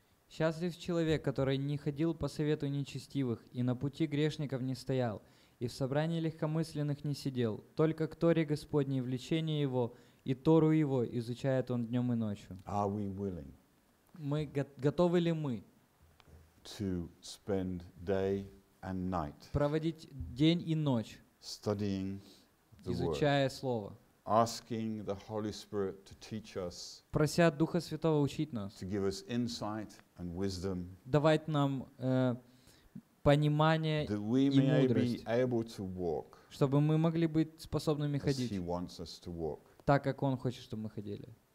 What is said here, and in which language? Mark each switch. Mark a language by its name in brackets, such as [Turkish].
[Russian] Счастлив человек, который не ходил по совету нечестивых и на пути грешников не стоял, и в собрании легкомысленных не сидел, только к Торе Господней влечение его и Тору его изучает он днем и ночью. [English] Are we willing? [Russian] Мы готовы ли мы [English] to spend day and night [Russian] проводить день и ночь, [English] studying the [Russian] изучая [English] word, [Russian] Слово, [English] asking the Holy Spirit to teach us, [Russian] прося Духа Святого учить нас, [English] to give us insight and wisdom, [Russian] давать нам понимание и мудрость, [English] that we may be able to walk, [Russian] чтобы мы могли быть способными [English] as [Russian] ходить [English] He wants us to walk, [Russian] так, как Он хочет, чтобы мы ходили.